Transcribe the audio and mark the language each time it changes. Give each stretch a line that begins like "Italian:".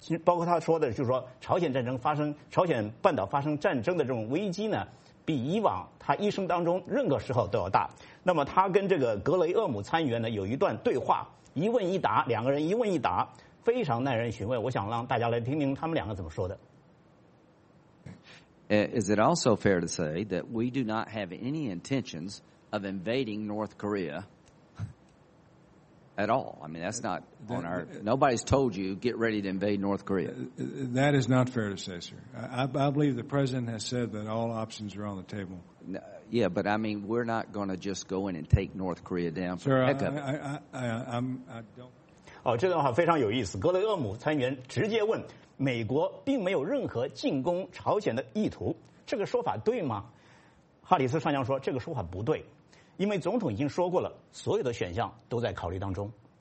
Chinese: 包括他说的就是说，朝鲜半岛发生战争的这种危机呢，比以往他一生当中任何时候都要大。那么他跟这个格雷厄姆参议员呢有一段对话，一问一答，两个人一问一答，非常耐人寻味。我想让大家来听听他们两个怎么说的。
English: Is it also fair to say that we do not have any intentions of invading North Korea at all? I mean, that's not on our. Nobody's told you get ready to invade North Korea. That is not fair to say, sir. I believe the president has said that all options are on the table. Yeah, but I mean, we're not going to just go in and take North Korea down. Sir, heck of I don't.
Chinese: 哦，这段话非常有意思。格雷厄姆参议员直接问：美国并没有任何进攻朝鲜的意图，这个说法对吗？哈里斯上将说：这个说法不对，因为总统已经说过了，所有的选项都在考虑当中。